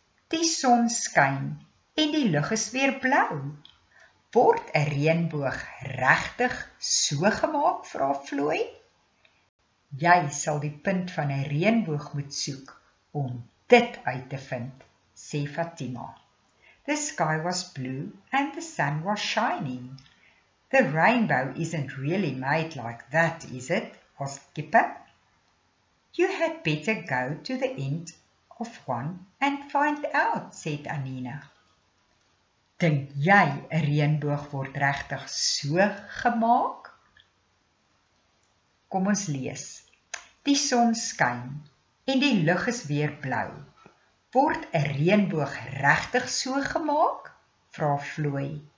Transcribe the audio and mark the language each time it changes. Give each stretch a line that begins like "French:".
Afrikaans: Die son skyn en die lig is weer blou. Word 'n reënboog regtig so gemaak, vra Floy? Jy sal die punt van 'n reënboog moet soek om dit uit te vind, sê Fatima.
English: The sky was blue and the sun was shining. The rainbow isn't really made like that, is it? Asked Kippa. You had better go to the end of one and find out, said Anina.
Afrikaans: Dink jy 'n reënboog word regtig so gemaak? Kom ons lees. Die son skyn en die lug is weer blou. Word 'n reënboog regtig so gemaak? Vra Floy.